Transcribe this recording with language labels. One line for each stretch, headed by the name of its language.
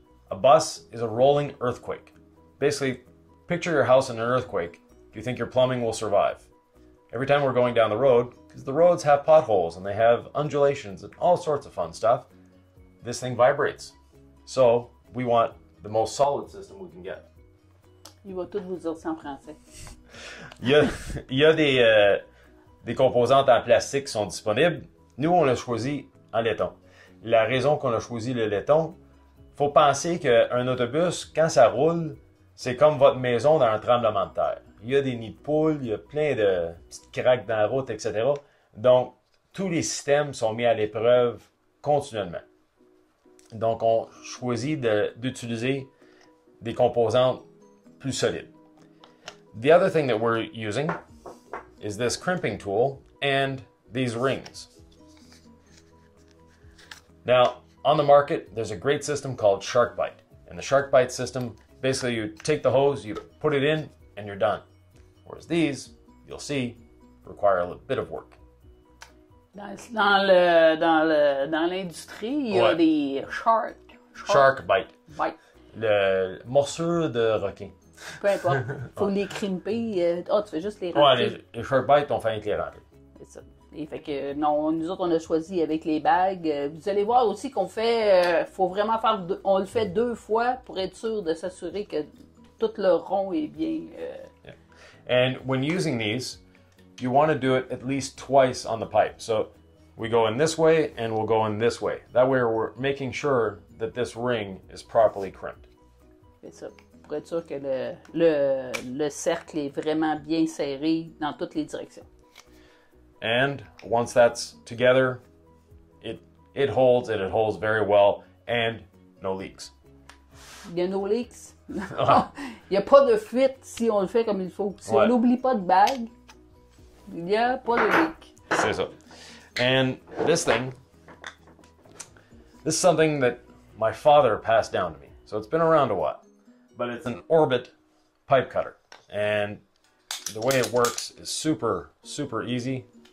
English: A bus is a rolling earthquake. Basically, picture your house in an earthquake. Do you think your plumbing will survive? Every time we're going down the road, because the roads have potholes and they have undulations and all sorts of fun stuff, this thing vibrates. So, we want the most solid system we can get.
French: Il va tout vous dire ça en français. Il y a des composantes en plastique qui sont disponibles. Nous, on a choisi en laiton. La raison qu'on a choisi le laiton, faut penser qu'un autobus, quand ça roule, c'est comme votre maison dans un tremblement de terre. Il y a des nids de poules, il y a plein de petites craques dans la route, etc. Donc, tous les systèmes sont mis à l'épreuve continuellement. Donc, on choisit d'utiliser des composantes plus solides.
English: The other thing that we're using is this crimping tool and these rings. Now, on the market, there's a great system called SharkBite. And the SharkBite system, basically you take the hose, you put it in, and you're done. Whereas these, you'll see, require a little bit of work.
French: Dans l'industrie, il y a des shark bite. Le morsure de requin. Peu importe. Faut les crimper. Ah, oh, tu fais juste les rentrer. Ouais, les shark bite, on fait avec les rentrer. C'est ça. Et fait que, non, nous autres, on a choisi avec les bagues. Vous allez voir aussi qu'on fait. Faut vraiment faire. On le fait deux fois pour être sûr de s'assurer que tout le rond est bien.
English: And when using these, you want to do it at least twice on the pipe. So we go in this way and we'll go in this way. That way we're making sure that this ring is properly crimped.
French: C'est ça. Pour être sûr que le cercle est vraiment bien serré dans toutes les directions.
English: And once that's together, it holds and it holds very well and no leaks.
French: Il y a
English: no leaks.
French: Il y a pas de fuite si on le fait comme il faut. Si on n'oublie pas de bague. Yeah, polyvic.
English: Say so. And this is something that my father passed down to me. So it's been around a while. But it's an orbit pipe cutter. And the way it works is super, super easy.